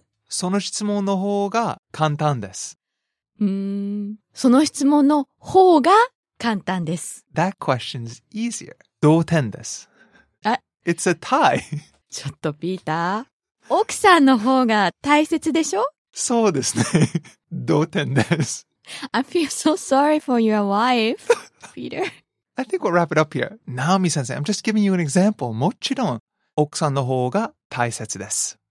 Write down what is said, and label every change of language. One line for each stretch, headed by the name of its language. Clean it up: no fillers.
Japanese: その質問の方が簡単です。その質問の方が簡単です。
English: That question's easier.
Japanese: 同点です。
English: It's a tie.
Japanese: ちょっとピーター、奥さんの方が大切でしょ? そうですね。同点です。
English: I feel so sorry for your wife, Peter. I think we'll wrap it up here. Naomi 先生, I'm just giving you an example.
Japanese: もちろん、奥さんの方が大切です。